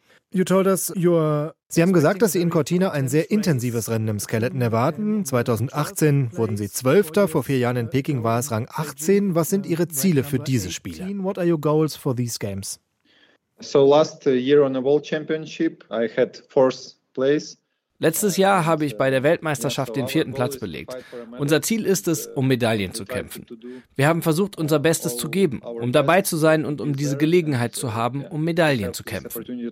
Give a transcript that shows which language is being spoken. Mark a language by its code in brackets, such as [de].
[de] Sie haben gesagt, dass Sie in Cortina ein sehr intensives Rennen im Skeleton erwarten. 2018 wurden Sie 12. Vor 4 Jahren in Peking war es Rang 18. Was sind Ihre Ziele für diese Spiele? [en] What are your goals for these games? So last year on the World Championship, I had 4th place. [de] Letztes Jahr habe ich bei der Weltmeisterschaft den 4. Platz belegt. Unser Ziel ist es, um Medaillen zu kämpfen. Wir haben versucht, unser Bestes zu geben, um dabei zu sein und um diese Gelegenheit zu haben, um Medaillen zu kämpfen.